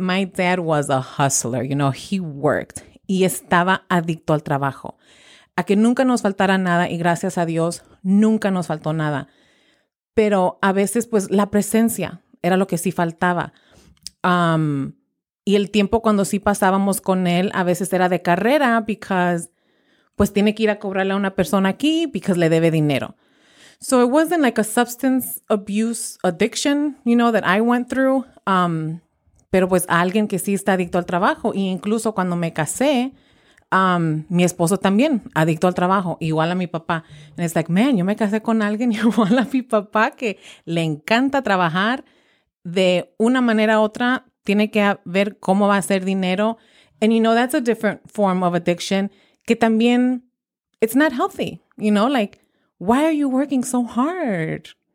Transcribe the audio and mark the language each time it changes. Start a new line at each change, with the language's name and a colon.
English: My dad was a hustler, you know, he worked.
Spanish: Y estaba adicto al trabajo. A que nunca nos faltara nada y gracias a Dios nunca nos faltó nada. Pero a veces, pues, la presencia era lo que sí faltaba. Y el tiempo cuando sí pasábamos con él, a veces era de carrera, because, pues, tiene que ir a cobrarle a una persona aquí, because le debe dinero.
English: So it wasn't like a substance abuse addiction, you know, that I went through.
Spanish: Pero, pues, alguien que sí está adicto al trabajo. Y incluso cuando me casé, mi esposo también, adicto al trabajo, igual a mi papá.
English: And it's like, man,
Spanish: yo me casé con alguien igual a mi papá que le encanta trabajar. De una manera u otra, tiene que ver cómo va a hacer dinero.
English: And you know, that's a different form of addiction
Spanish: que también,
English: it's not healthy. You know, like, why are you working so hard?